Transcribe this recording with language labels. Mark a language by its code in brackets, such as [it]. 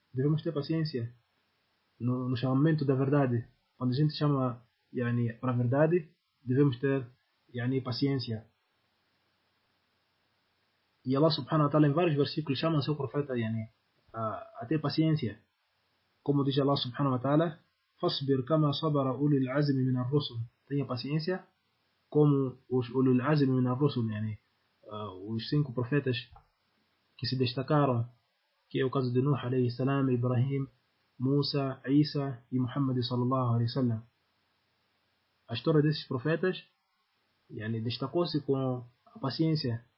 [pt] Devemos ter paciência no chamamento da verdade. Quando a gente chama para a verdade, devemos ter paciência. E Allah subhanahu wa ta'ala em vários versículos chama o seu profeta a ter paciência. [ar] Como diz Allah subhanahu wa ta'ala: فَصْبِرْ كَمَا صَبَرَ أُولِي الْعَزْمِ مِنَ الرُّسُلِ. [pt] Tenha paciência como os [ar] أُولِي الْعَزْمِ مِنَ الرُّسُلِ, [pt] os cinco profetas que se destacaram, que é o caso de Nuh alayhi salam, Ibrahim, Musa, Isa e Muhammad sallallahu alayhi wa sallam. A história desses profetas destacou-se com a paciência.